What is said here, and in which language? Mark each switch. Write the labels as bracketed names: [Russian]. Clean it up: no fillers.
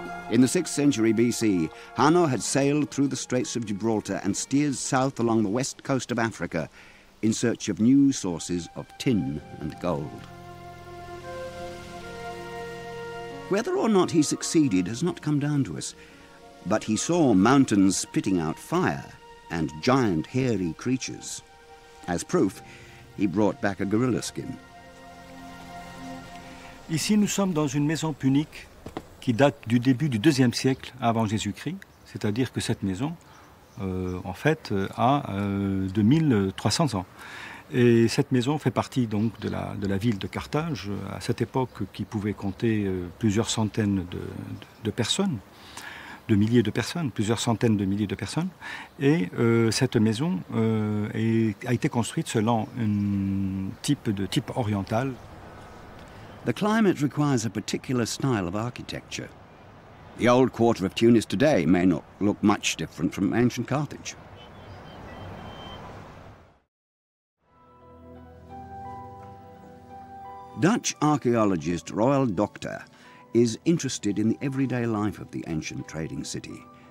[English] In the 6th century BC, Hanno had sailed through the Straits of Gibraltar and steered south along the west coast of Africa in search of new sources of tin and gold. Whether or not he succeeded has not come down to us. But he saw mountains spitting out fire and giant hairy creatures. As proof, he brought back a gorilla skin. [French] Ici, nous sommes dans une maison punique qui date du début du deuxième siècle avant Jésus-Christ. C'est-à-dire que cette maison, en fait, a 2300 ans. Et cette maison fait partie donc de la ville de Carthage, à cette époque qui pouvait compter plusieurs centaines de personnes, de milliers de personnes, plusieurs centaines de milliers de personnes. Et cette maison a été construite selon un type oriental. [English] The climate requires a particular style of architecture. The old quarter of Tunis today may not look much different from ancient Carthage. Dutch archaeologist Royal Doctor is interested in the everyday life of the ancient trading city.